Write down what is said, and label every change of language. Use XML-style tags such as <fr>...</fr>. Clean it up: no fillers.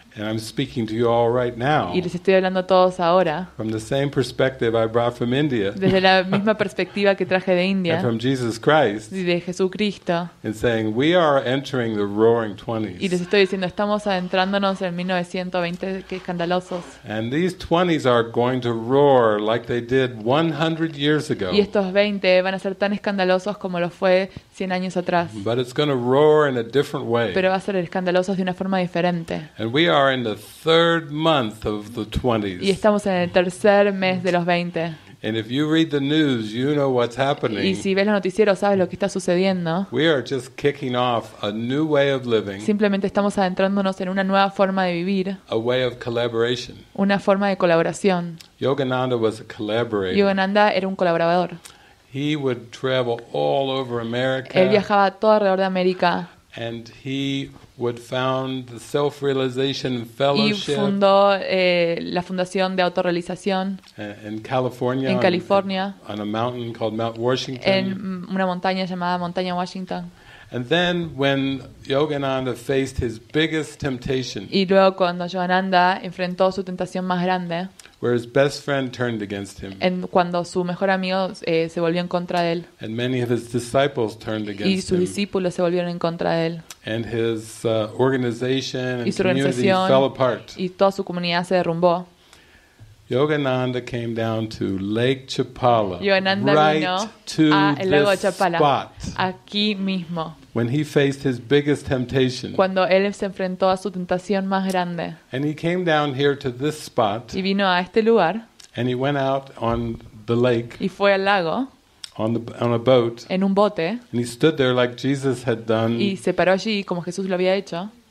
<en>And I'm speaking to you all right now.</en> <es>Y les estoy hablando a todos ahora.</es> <en>From the same perspective I brought from India.</en> <es>Desde la misma perspectiva que traje de India.</es> <en>And from Jesus Christ.</en> <es>Y de Jesucristo.</es> <en>And saying we are entering the roaring 20s.</en> <es>Y les estoy diciendo estamos adentrándonos en 1920, qué escandalosos.</es> <en>And these 20s are going to roar like they did 100 years ago.</en> <es>Y estos 20 van a ser tan escandalosos como lo fue 100 años atrás.</es> <en>But it's going to roar in a different way.</en> <es>Pero va a ser escandalosos de una forma diferente.</es> <en>And we are in the third month of the 20s.</en> <es>Y estamos en el tercer mes de los 20.</es> <en>And if you read the news, you know what's happening.</en> <es>Y si ves los noticieros, sabes lo que está sucediendo.</es> <en>We are just kicking off a new way of living.</en> <es>Simplemente estamos adentrándonos en una nueva forma de vivir.</es> <en>A way of collaboration.</en> <es>Una forma de colaboración.</es> <en>Yogananda was a collaborator.</en> <es>Yogananda era un colaborador.</es> <en>He would travel all over America.</en> <es>Él viajaba todo alrededor de América.</es> <en>And he would found the self-realization fellowship.</en> <es>Y fundó la fundación de autorrealización</es> <en>in California,</en> <es>en California,</es> <en>on a mountain called Mount Washington.</en> <es>En una montaña llamada Montaña Washington.</es> <en>And then when Yogananda faced his biggest temptation.</en> <es>Y luego cuando Yogananda enfrentó su tentación más grande.</es> <en>Where his best friend turned against him.</en> <es>En cuando su mejor amigo se volvió en contra de él.</es> <en>And many of his disciples turned against him.</en> <es>Y sus discípulos se volvieron en contra de él.</es> <en>And his organization and community fell apart.</en> <es>Y toda su comunidad se derrumbó.</es> <en>Yogananda came down to Lake Chapala.</en> <es>Yogananda</es> <en>right</en> <es>vino</es> <en>to</en> <es>al lago</es> <en>this</en> <es>Chapala,</es> <en>spot.</en> <es>Aquí mismo.</es> <en>When he faced his biggest temptation.</en> <es>Cuando él se enfrentó a su tentación más grande.</es> <en>And he came down here to this spot.</en> <es>Y vino a este lugar.</es> <en>And he went out on the lake.</en> <es>Y fue al lago.</es> <en>On a boat.</en> <es>En un bote.</es> <en>And he stood there like Jesus had done.</en> <es>Y se paró allí como Jesús lo había hecho.</es>